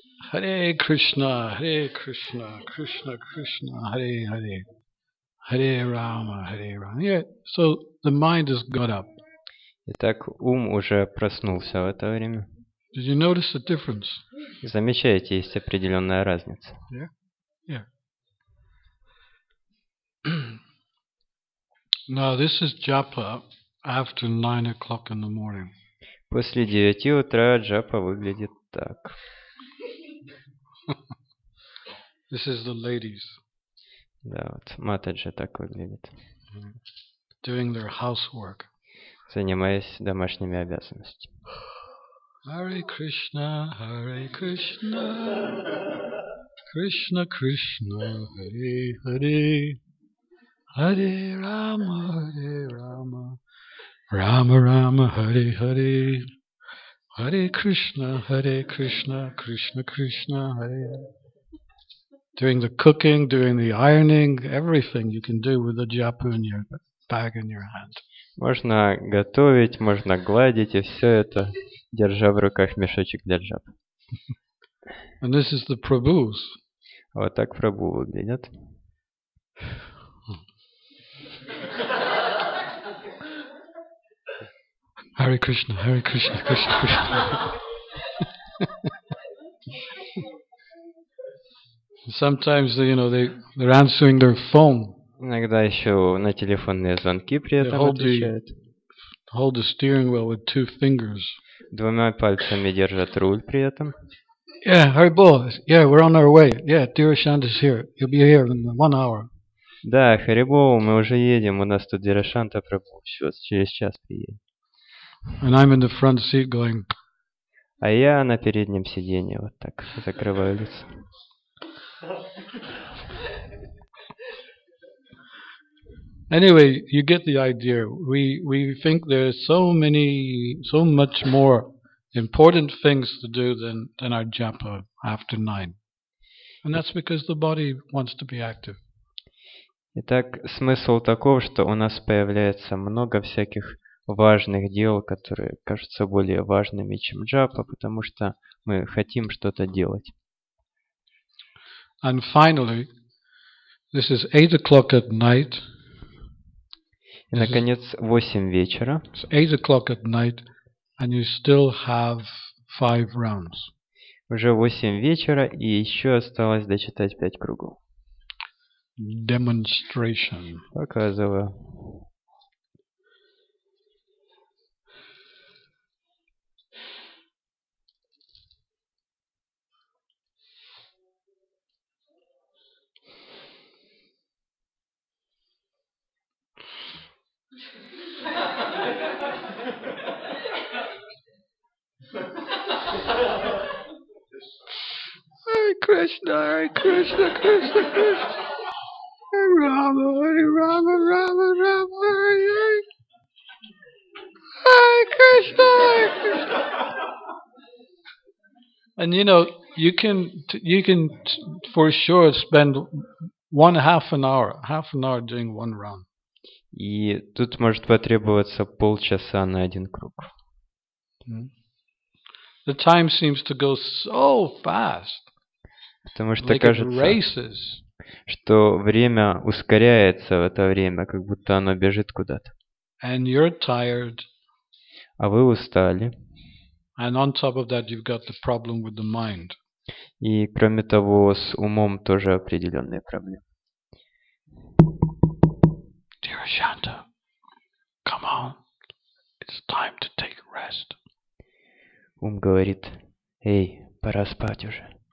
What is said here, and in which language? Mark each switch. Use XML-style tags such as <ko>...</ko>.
<sa>Hare Krishna, Hare Krishna, Krishna Krishna, Hare Hare.</sa> <en>Hare Rama, Hare Rama. Yeah, so the mind has got up.</en> <ru>Итак, ум уже проснулся в это время.</ru> <en>Did you notice the difference?</en> <ru>Замечаете, есть определенная разница.</ru> <en>Yeah? Yeah. Now this is japa after 9 o'clock in the morning.</en> <ru>После 9 утра джапа выглядит так.</ru> <en>This is the ladies.</en> <ru>Да, вот Матаджи так выглядит.</ru> <en>Doing their housework.</en> <ru>Занимаясь домашними обязанностями.</ru> <sa>Hare Krishna, Hare Krishna. Krishna, Krishna, Hare Hare. Hare Rama, Hare Rama. Rama, Rama, Hare Hare. Hare Krishna, Hare Krishna. Krishna, Krishna, Hare Hare.</sa> <en>Doing the cooking, doing the ironing, everything you can do with a japa in your bag in your hand.</en> <ru>Можно готовить, можно гладить, и все это, держа в руках мешочек для джап.</ru> <en>And this is the Prabhu's.</en> <ru>Вот так Прабу выглядят.</ru> <sa>Hare Krishna, Hare Krishna, Krishna Krishna.</sa> <en>Sometimes they, you know, they're answering their phone.</en> <ru>Иногда еще на телефонные звонки при этом отвечают.</ru> <en>Hold the steering wheel with two fingers.</en> <ru>Двумя пальцами держат руль при этом.</ru> <en>Yeah, Hari Bol. Yeah, we're on our way. Yeah, Dhirashant is here. He'll be here in 1 hour.</en> <ru>Да, Hari Bol, мы уже едем. У нас тут Дирашанта Прабху. Все, через час приедем.</ru> <en>And I'm in the front seat going.</en> <ru>А я на переднем сиденье вот так закрываю лицо.</ru> <en>Anyway, you get the idea. We think there is so much more important things to do than our japa after 9. And that's because the body wants to be active.</en> <ru>Итак, смысл таков, что у нас появляется много всяких важных дел, которые кажутся более важными, чем джапа, потому что мы хотим что-то делать.</ru> <en>And finally, this is 8 o'clock at night.</en> <ru>И, наконец, 8 вечера.</ru> <en>It's 8 o'clock at night, and you still have 5 rounds.</en> <ru>Уже 8 вечера, и еще осталось дочитать 5 кругов.</ru> <en>Demonstration.</en> <ru>Показываю.</ru> <sa>Krishna, Hare Krishna, Krishna, Krishna. Hare Rama, Hare Rama, Rama, Rama, Hare Hare. Hare Krishna, Hare Krishna.</sa> <en>And you know, you can for sure spend half an hour doing one round.</en> <ru>И тут может потребоваться полчаса на один круг.</ru> <en>The time seems to go so fast.</en> <ru>Потому что кажется, что время ускоряется в это время, как будто оно бежит куда-то.</ru> <en>And you're tired.</en> <ru>А вы устали.</ru> <en>And on top of that, you've got the problem with the mind.</en> <ru>И кроме того, с умом тоже определенные проблемы.</ru> <en>Дирашанта, come on, it's time to take rest.</en> <ru>Ум говорит, эй, пора спать уже.</ru>